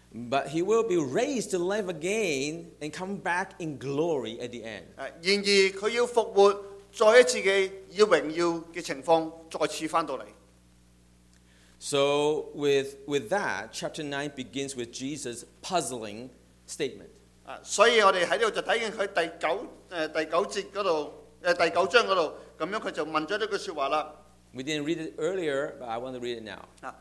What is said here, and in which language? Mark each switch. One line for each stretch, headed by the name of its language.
English: But he will be raised to life again and come back in glory at the end.
Cantonese: 然而佢要復活，再一次嘅以榮耀嘅情況再次翻到嚟。
English: So with that, chapter 9 begins with Jesus' puzzling statement.
Cantonese: 所以我哋喺呢度就睇见佢第九章嗰度，咁样佢就问咗呢句说话啦。
English: We didn't read it earlier, but I want to read it now.